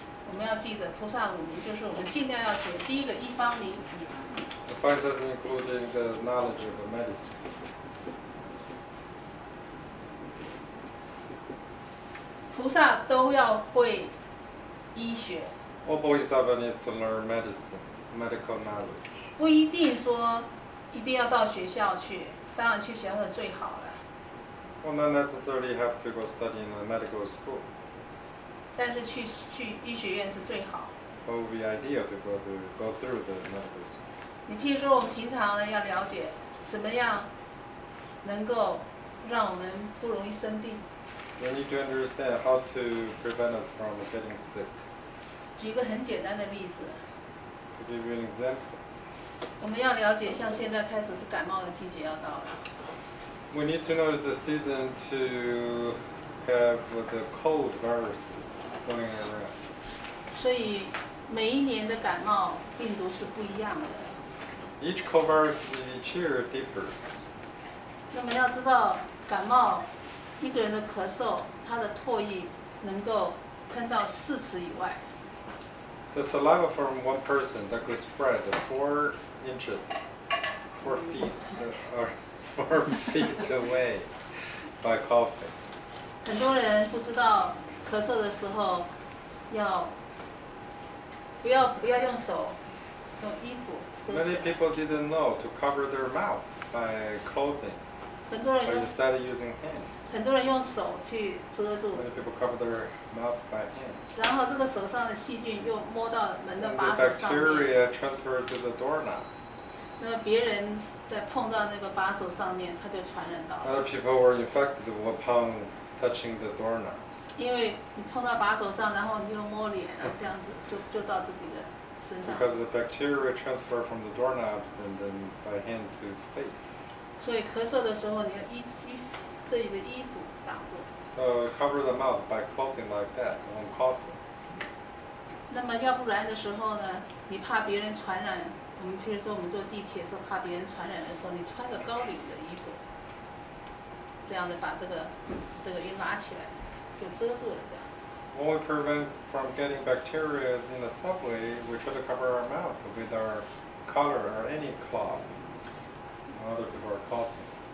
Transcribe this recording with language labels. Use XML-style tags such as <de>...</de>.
<zh>我们要记得菩萨五明，就是我们尽量要学第一个一方明。</zh> <en>The five senses including the knowledge of the medicine.</en> <zh>菩萨都要会医学。</zh> <en>All Bodhisattva needs to learn medicine, medical knowledge.</en> <zh>不一定说一定要到学校去，当然去学校是最好的。</zh> <en>Well, not necessarily have to go study in a medical school.</en> <zh>但是去医学院是最好。</zh> <en>What would be ideal to go through the medical school?</en> <zh>你譬如说，我们平常呢要了解怎么样能够让我们不容易生病。</zh> <en>We need to understand how to prevent us from getting sick.</en> <zh>举一个很简单的例子。</zh> <en>To give you an example.</en> <zh>我们要了解，像现在开始是感冒的季节要到了。</zh> <en>We need to know it's the season to have the cold viruses.</en> <zh>所以每一年的感冒病毒是不一样的。</zh> <en>Each cold virus each year differs.</en> <zh>那么要知道感冒，一个人的咳嗽，他的唾液能够喷到四尺以外。</zh> <en>The saliva from one person that could spread 4 inches, 4 feet, or 4 feet away by coughing.</en> <zh>很多人不知道。咳嗽的时候要不要用手用衣服遮起来。</zh> <en>Many people didn't know to cover their mouth by clothing.</en> <zh>很多人</zh> <en>instead of using hand.</en> <zh>很多人用手去遮住。</zh> <en>Many people cover their mouth by hand.</en> <zh>然后这个手上的细菌又摸到门的把手上面。</zh> <en>The bacteria transferred to the doorknobs.</en> <zh>那别人在碰到那个把手上面他就传染到了。</zh> <en>Other people were infected upon touching the doorknob.</en> <zh>因为你碰到把手上，然后你又摸脸，这样子就到自己的身上。</zh> <en>Because the bacteria transfer from the doorknobs and then by hand to the face.</en> <zh>所以咳嗽的时候，你要一这里的衣服挡住。</zh> <en>So cover the mouth by coughing like that, when coughing.</en> <zh>那么要不然的时候呢，你怕别人传染，我们譬如说我们坐地铁的时候怕别人传染的时候，你穿个高领的衣服，这样的把这个一拉起来就遮住了，这样。</zh> <en>What would prevent from getting bacteria is in the subway, we should cover our mouth with our collar or any cloth. Other people are coughing.</en>